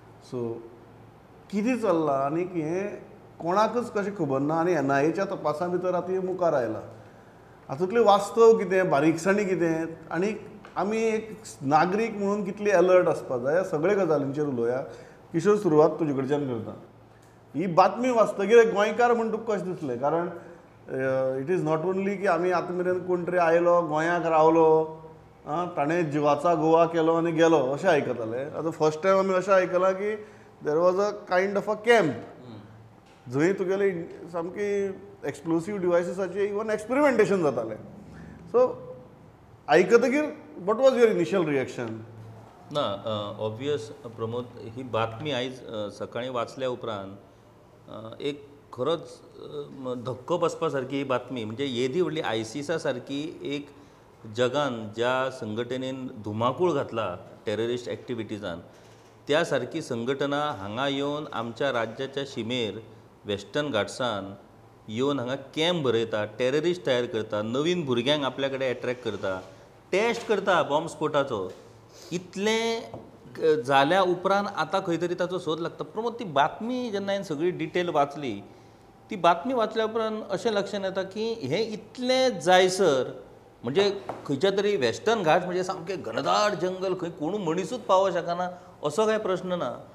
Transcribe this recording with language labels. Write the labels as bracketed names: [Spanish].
[Konkani] सो कितें चल्लां आनीक हें कोणाकच कशें खबर ना आनी NIA तपासा भितर आतां हें मुखार आयलां. हातूंतलें वास्तव कितें, बारीकसाणी कितें, आनी आमी एक नागरीक म्हणून कितली अलर्ट आसपाक जाय, ह्या सगळ्या गजालींचेर उलोवया. किशोर, सुरवात तुजे कडच्यान करता. ही बातमी वाचतकीर गोंयकार म्हण तुका कशें दिसलें? कारण [English] it is not only [Konkani] की आमी आतां मेरेन कोण तरी आयलो, गोंयाक रावलो, ताणें जिवाचा गोवा केलो आनी गेलो अशें आयकताले. आतां [English] first time [Konkani] आमी अशें आयकलां की [English] there was a kind of a camp [Konkani] जंय तुगेले सामकी एक्सप्लोसीव डिवायसीसाचे इवन एक्सपिरिमेंटेशन जातालें. [English] so [Konkani] आयकतकीर [English] What was your initial reaction? [Konkani] ना, ऑब्वियस प्रमोद, ही बातमी आयज सकाळीं वाचल्या उपरांत एक खरोच धक्को बसपा सारकी ही बातमी. म्हणजे येदी व्हडली आयसिसा सारकी एक जगान ज्या संघटनेन धुमाकूळ घातला टॅररिस्ट एक्टिविटीजान, त्या सारकी संघटना हांगा येवन आमच्या राज्याच्या शिमेर वेस्टर्न घाट्सान येवन हांगा कॅम्प भरयता, टॅररिस्ट तयार करता, नवीन भुरग्यांक आपल्या कडेन अट्रॅक्ट करता, टॅस्ट करता बॉम्बस्फोटाचो. इतलें जाल्या उपरांत आतां खंय तरी ताचो सोद लागता. प्रमोद, ती बातमी जेन्ना हांवें सगळी डिटेल वाचली, ती बातमी वाचल्या उपरांत अशें लक्षांत येता की हें इतलें जायसर, म्हणजे खंयच्या तरी वेस्टर्न घाट म्हणजे सामकें घनदाट जंगल, खंय कोण मनीसूच पावो शकना असो कांय प्रस्न ना.